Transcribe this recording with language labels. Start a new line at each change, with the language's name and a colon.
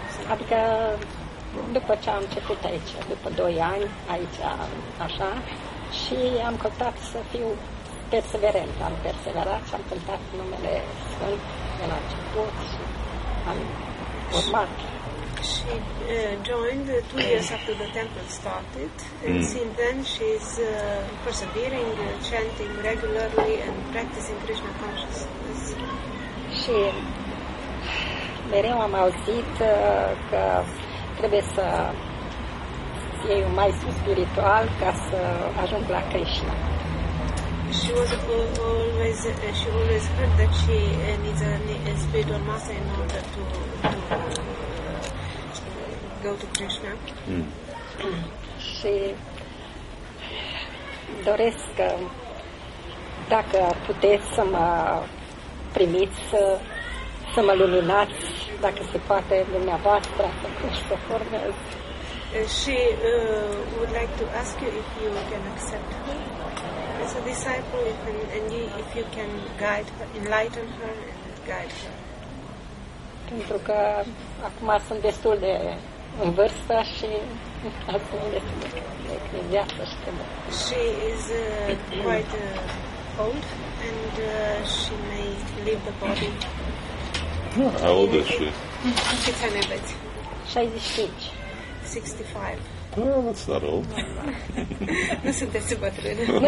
Romanian: Adică după ce am început aici, după 2 ani aici, așa, și am căutat să fiu perseverent. Am perseverat și am cântat numele Sfânt de la început și am urmat.
English: She joined 2 years after the temple started, and since then she's persevering, chanting regularly and practicing Krishna consciousness.
Romanian: Și mereu am auzit că trebuie să fie un maestru spiritual ca să ajung la Krishna.
English: She was always heard that she needs a spiritual master in order to go to Krishna.
Romanian: Și doresc că dacă puteți să mă primiți, să mă luminați, dacă se poate, dumneavoastră, să formez.
English: She would like to ask you if you can accept her as a disciple, if you can guide her, enlighten her and guide her.
Romanian: Pentru că acum sunt destul de în vârstă și acum de viață și când.
English: She is quite old and she may leave the body. How old is she? 65. Oh, that's not old.
Romanian: Nu sunteți bătrâni.